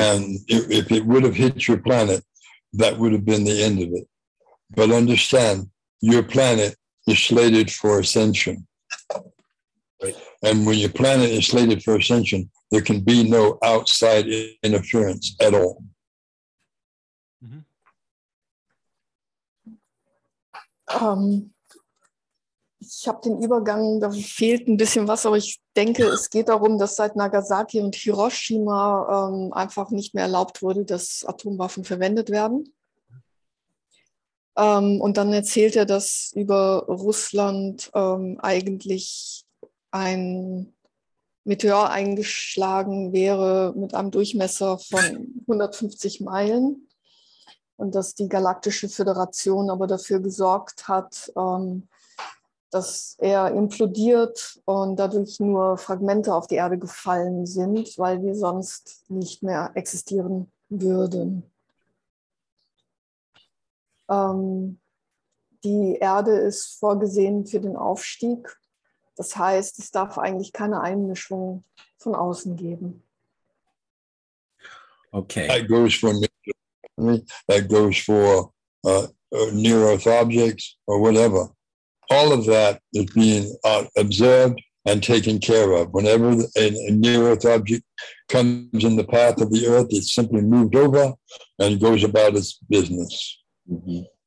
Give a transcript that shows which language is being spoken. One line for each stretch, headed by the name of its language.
English: And if it would have hit your planet, that would have been the end of it. But understand, your planet is slated for ascension. Right. And when your planet is slated for ascension, there can be no outside interference at all.
German: Ich habe den Übergang, da fehlt ein bisschen was, aber ich denke, es geht darum, dass seit Nagasaki und Hiroshima einfach nicht mehr erlaubt wurde, dass Atomwaffen verwendet werden. Und dann erzählt er, dass über Russland eigentlich ein Meteor eingeschlagen wäre mit einem Durchmesser von 150 Meilen. Und dass die Galaktische Föderation aber dafür gesorgt hat, dass er implodiert und dadurch nur Fragmente auf die Erde gefallen sind, weil wir sonst nicht mehr existieren würden. Die Erde ist vorgesehen für den Aufstieg. Das heißt, es darf eigentlich keine Einmischung von außen geben. Okay.
English: That goes for near-Earth objects or whatever. All of that is being observed and taken care of. Whenever a near-Earth object comes in the path of the Earth, it's simply moved over and goes about its business. Mm-hmm.